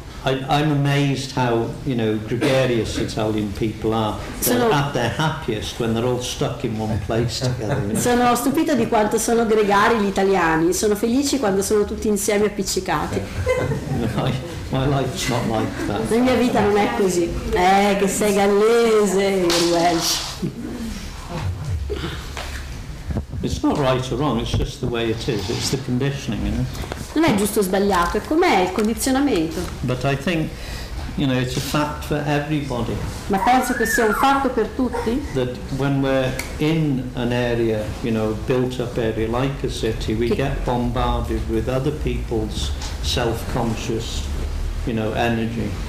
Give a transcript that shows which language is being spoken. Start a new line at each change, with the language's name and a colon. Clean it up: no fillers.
English: I'm amazed how, you know, gregarious Italian people are. They're at their happiest when they're all stuck in one place together.
Italian: Sono stupito di quanto sono gregari gli italiani. Sono felici quando sono tutti insieme appiccicati.
English: My life's not like that.
Italian: La mia vita non è così. Che sei gallese,
English: you're Welsh. It's not right or wrong, it's just the way it is. It's the conditioning, you know.
Italian: Non è giusto o sbagliato, è com'è il condizionamento.
English: But I think, you know, it's a fact for everybody.
Italian: Ma penso che sia un fatto per tutti.
English: That when we're in an area, you know, built up area like a city, we get bombarded with other people's self-conscious, you know, energy.